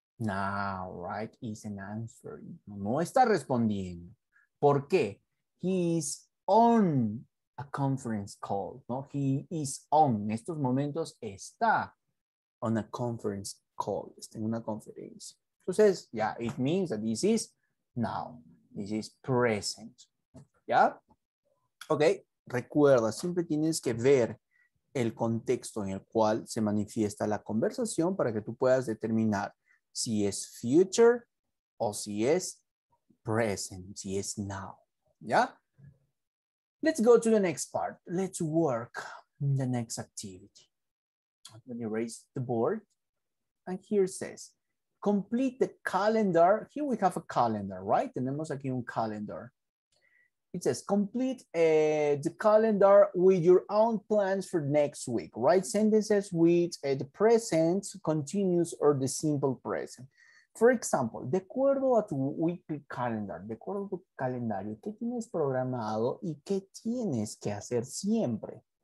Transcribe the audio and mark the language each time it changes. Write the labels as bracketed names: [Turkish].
[English] Now, right? Isn't answering. [Spanish] No está respondiendo. ¿Por qué? [English] He is on a conference call, ¿no? He is on. [Spanish] En estos momentos está. [English] On a conference call. [Spanish] Está en una conferencia. [English] Entonces, yeah, it means that this is now. This is present. ¿Ya? Ok. [Spanish] Recuerda, siempre tienes que ver el contexto en el cual se manifiesta la conversación para que tú puedas determinar si es future o si es present, si es now. [English] ¿Ya? Let's go to the next part. Let's work in the next activity. Let me erase the board. And here says, complete the calendar. Here we have a calendar, right? [Spanish] Tenemos aquí un calendar. [English] It says, complete the calendar with your own plans for next week. Write sentences with the present, continuous, or the simple present. For example, [Spanish] de acuerdo a tu [English] weekly calendar, [Spanish] de acuerdo a tu calendario, ¿qué tienes programado y qué tienes que hacer siempre?